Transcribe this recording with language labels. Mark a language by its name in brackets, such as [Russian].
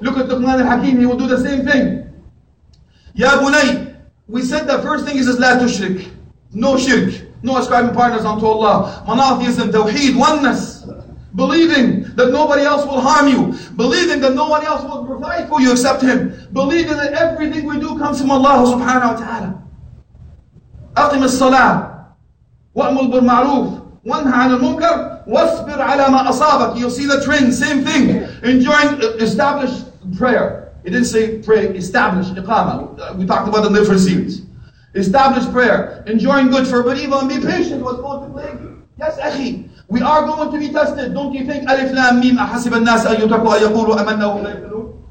[English] Look at Luqman al-Hakim, he will do the same thing. يَا بُنَيْ We said the first thing is لَا تُشْرِكْ No shirk, no ascribing partners unto Allah. Monotheism, tawheed, oneness. Believing that nobody else will harm you. Believing that no one else will provide for you except Him. Believing that everything we do comes from Allah subhanahu wa ta'ala. [Arabic] أقم الصلاة وأمر بالمعروف وانهى عن المنكر واصبر على ما أصابك. [English] You'll see the trend, same thing. Enjoying, establish prayer. He didn't say pray, establish, iqama. We talked about the different series. Establish prayer, enjoying good for Bariba and be patient what's going to plague you. Yes, akhi, we are going to be tested. Don't you think, alif, lam, mim, ahasib al-nas, ayyutaku, ayyakulu, amanna, wa layfiru?